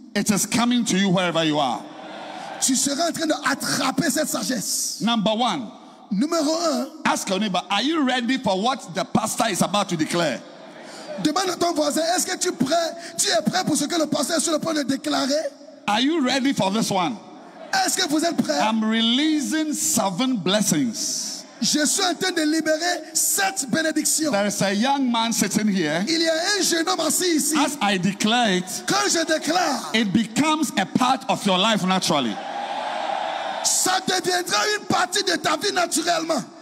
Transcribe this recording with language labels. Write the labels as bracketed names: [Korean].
[English] it is coming to you wherever you are. [French] Tu seras en train de attraper cette sagesse. [English] Number one. [French] Numéro un. [English] Ask your neighbor, are you ready for what the pastor is about to declare? [French] Demande à ton voisin, est-ce que tu es prêt pour ce que le pasteur est sur le point de déclarer? [English] Are you ready for this one? [French] Est-ce que vous êtes prêt? [English] I'm releasing 7 blessings. [French] Je suis en train de libérer 7 bénédictions. [English] There is a young man sitting here. [French] Il y a un jeune homme assis ici. [English] As I declare it, [French] quand je déclare, [English] it becomes a part of your life naturally. [French] Ça deviendra une partie de ta vie naturellement.